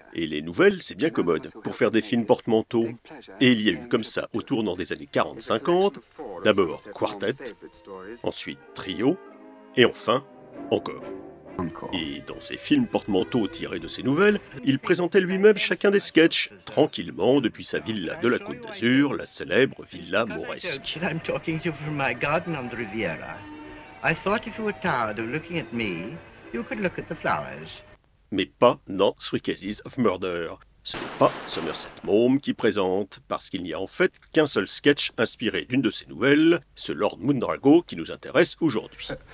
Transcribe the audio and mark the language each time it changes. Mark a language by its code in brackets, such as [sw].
[fr] Et les nouvelles, c'est bien commode pour faire des films portmanteaux. Et il y a eu comme ça au tournant des années 40-50, d'abord Quartet, ensuite Trio, et enfin Encore. Et dans ses films portmanteaux tirés de ses nouvelles, il présentait lui-même chacun des sketchs, tranquillement depuis sa villa de la Côte d'Azur, la célèbre Villa Mauresque. [en] I'm talking to you from my garden on the Riviera. I thought if you were tired of looking at me, you could look at the flowers. [fr] Mais pas dans Three Cases of Murder. Ce n'est pas Somerset Maugham qui présente, parce qu'il n'y a en fait qu'un seul sketch inspiré d'une de ses nouvelles, ce Lord Mundrago qui nous intéresse aujourd'hui.